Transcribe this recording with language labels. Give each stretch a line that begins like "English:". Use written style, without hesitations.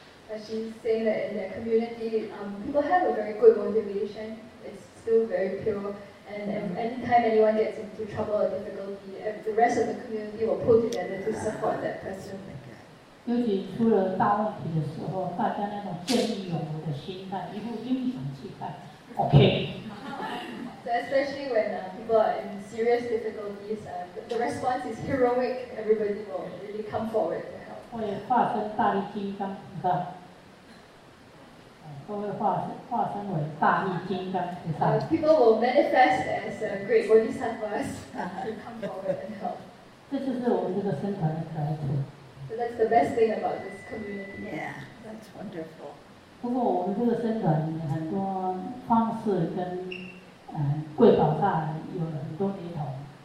English: As she's saying that in their community, people have a very good motivation. It's still very pure. And anytime anyone gets into trouble or difficulty, the rest of the community will pull together to support that person.
Chinese: 尤其出了大问题的时候，大家那种见义勇为的心态，一副英雄气概 ，OK。
English: So especially when people are in serious difficulties, the response is heroic. Everybody will really come forward to help.
Chinese: 会化身大力金刚菩萨，都会化身为大力金刚菩萨。
English: People will manifest as great bodhisattvas to come forward and help.
Chinese: 这就是我们这个生团的开始。
English: So that's the best thing about this community. Yeah, that's wonderful.
Chinese: 不过我们这个生团很多方式跟贵宝刹有很多雷同。